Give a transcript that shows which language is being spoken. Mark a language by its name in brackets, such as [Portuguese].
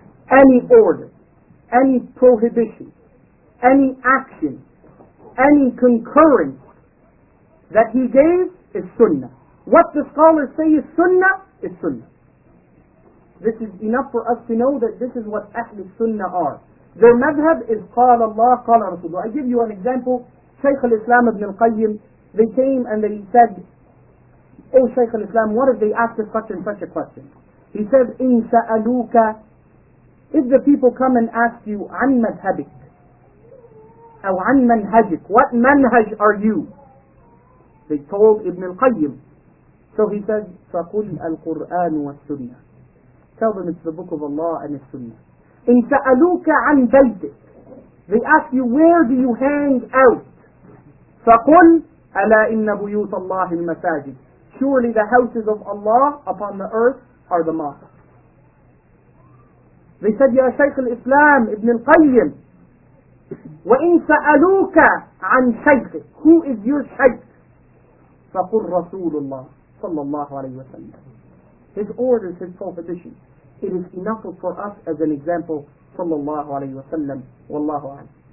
[English] Any order, any prohibition, any action, any concurrence that he gave is Sunnah. What the scholars say is Sunnah, is Sunnah. This is enough for us to know that this is what Ahl al-Sunnah are. Their madhab is [Arabic] قال الله قال رسوله. [English] I give you an example. Shaykh al-Islam ibn al-Qayyim, they came and they said, O Shaykh al-Islam, what if they ask us such and such a question? He said, [Arabic] إِن سَأَلُوكَ. [English] If the people come and ask you, [Arabic] عَن مَذْهَبِكَ أو عَن مَنْهَجِكَ, [English] what manhaj are you? They told Ibn al-Qayyim. So he said, [Arabic] فَقُلْ الْقُرْآنُ وَالسُّنَّةِ. [English] Tell them it's the book of Allah and the Sunnah. [Arabic] إِن سَأَلُوكَ عَن بَيْدِكَ. [English] They ask you, where do you hang out? [Arabic] فَقُلْ أَلَا إِنَّ بُيُوتَ اللَّهِ الْمَسَاجِدِ. [English] Surely the houses of Allah upon the earth are the mosques. They said, Ya Shaykh al-Islam, Ibn al-Qayyim, [Arabic] وَإِن سَأَلُوكَ عَنْ شَيْخِ. [English] Who is your Shaykh? [Arabic] فَقُلْ رَسُولُ اللَّهِ صَلَّى اللَّهُ عَلَيْهِ وَسَلَّمُ. [English] His orders, his prohibition. It is enough for us as an example [Arabic] صلى الله عليه وسلم والله أعلم.